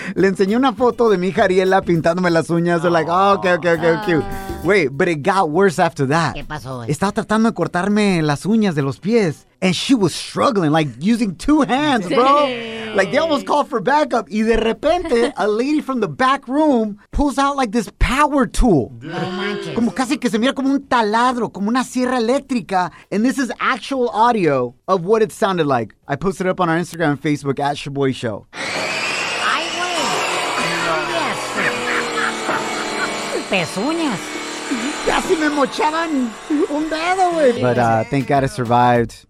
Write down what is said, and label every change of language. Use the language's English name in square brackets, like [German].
[Spanish] Le enseñé una foto de mi hija Ariela pintándome las uñas. [English] They're like, oh, okay. Wait, but it got worse after that. [Spanish] ¿Qué pasó, güey? Estaba tratando de cortarme las uñas de los pies. [English] And she was struggling, like using two hands, bro. Dang. Like they almost called for backup. [Spanish] Y de repente, [English] a lady from the back room pulls out like this power tool. Dang. [Spanish] Como casi que se mira como un taladro, como una sierra eléctrica. [English] And this is actual audio of what it sounded like. I posted it up on our Instagram and Facebook at Shaboy Show. [Spanish] Ay, güey. Yes. Pezuñas. Casi me mochaban un dedo, güey. [English] But thank God I survived.